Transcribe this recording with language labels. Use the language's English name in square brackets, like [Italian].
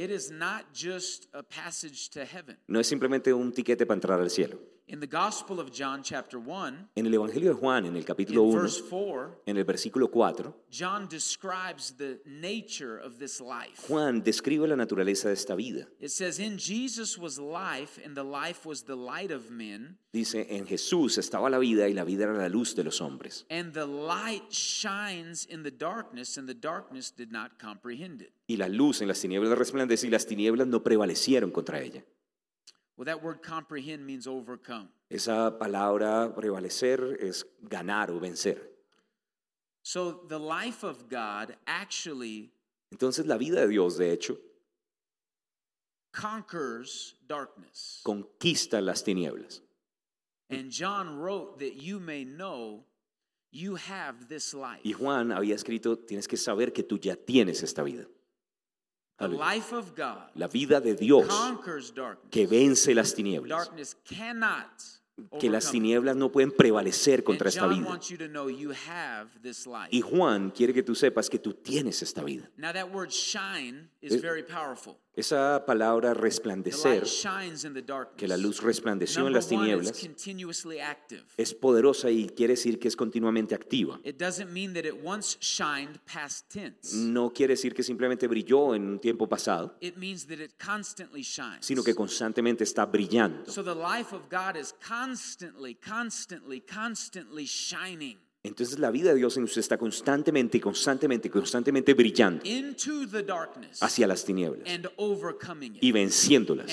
[English] It is not just a passage to heaven. [Spanish] No es simplemente un tiquete para entrar al cielo. [English] In the Gospel of John, chapter 1, [Spanish] en el Evangelio de Juan, en el capítulo 1, [English] verse 4, [Spanish] en el versículo 4, [English] John describes the nature of this life. [Spanish] Juan describe la naturaleza de esta vida. [English] It says, "In Jesus was life, and the life was the light of men." [Spanish] Dice, en Jesús estaba la vida y la vida era la luz de los hombres. [English] And the light shines in the darkness, and the darkness did not comprehend it. [Spanish] Y la luz en las tinieblas resplandece y las tinieblas no prevalecieron contra ella. [English] Well, that word comprehend means overcome. [Spanish] Esa palabra prevalecer es ganar o vencer. [English] So the life of God actually [Spanish] Entonces la vida de Dios, de hecho, [English] conquers darkness. [Spanish] Conquista las tinieblas. [English] And John wrote that you may know you have this life. [Spanish] Y Juan había escrito, tienes que saber que tú ya tienes esta vida. [English] The life of God [Spanish] la vida de Dios [English] conquers darkness. [Spanish] Que vence las tinieblas. [English] Darkness cannot [Spanish] que las tinieblas no pueden prevalecer contra esta vida. [English] Wants you to know you have this life. [Spanish] Y Juan quiere que tú sepas que tú tienes esta vida. [English] Now that word shine is very powerful. [Spanish] Esa palabra resplandecer, [English] the light shines in the darkness. [Spanish] Que la luz resplandeció [English] Number [Spanish] en las tinieblas, [English] one is continuously active. [Spanish] Es poderosa y quiere decir que es continuamente activa. [English] It doesn't mean that it once shined past tense. [Spanish] No quiere decir que simplemente brilló en un tiempo pasado, [English] it means that it constantly shines. [Spanish] Sino que constantemente está brillando. [English] So the life of God is constantly, constantly, constantly shining. [Spanish] Entonces la vida de Dios en usted está constantemente, constantemente, constantemente brillando [English] into the darkness [Spanish] hacia las tinieblas [English] and overcoming it. [Spanish] Y venciéndolas.